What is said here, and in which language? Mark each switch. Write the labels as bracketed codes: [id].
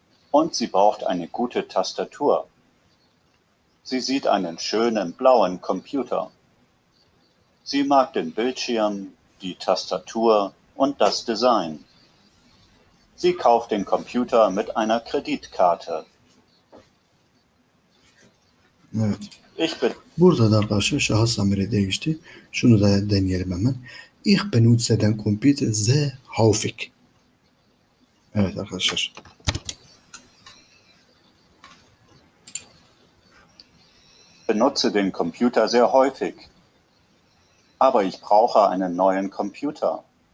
[de] Und sie braucht eine gute Tastatur. Sie sieht einen schönen blauen Computer. Sie mag den Bildschirm, die Tastatur und das Design. Sie kauft den Computer mit einer Kreditkarte. [tr] Evet. Burada da arkadaşlar şahıs zamiri değişti. Şunu da deneyelim hemen. [de] Ich benutze den Computer sehr häufig. [tr] Evet arkadaşlar. [de] Benutze den Computer sehr häufig. Aber ich brauche einen neuen Computer.